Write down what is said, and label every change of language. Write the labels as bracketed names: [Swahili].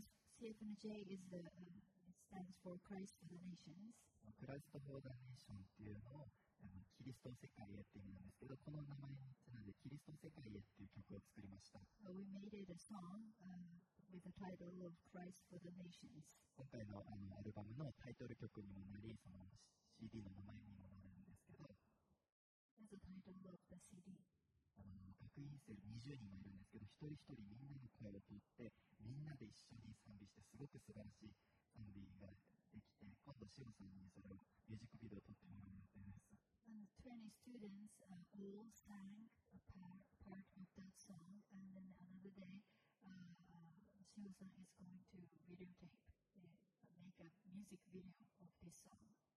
[English] CFMJ is stands for Christ for the Nations. [Japanese] クライストフォーザネーションっていうのをキリスト世界へっていう意味なんですけど、この名前につなんでキリスト世界へっていう曲を作りました。 [English] So、we made it a song. With the title of Christ for the Nations. [Japanese] 今回のアルバムのタイトル曲にもなり、その CD の名前にもなるんですけど、 [English] That's the title of the CD. [Japanese] 学院生20人もいるんですけど、一人一人みんなの声を取って、みんなで一緒に賛美して、すごく素晴らしい賛美ができて、今度、シムさんにそれをミュージックビデオを撮ってもらう予定です。 [English] And 20 students all sang a part of that song, and then another day,Shio-san is going to videotape, make a music video of this song.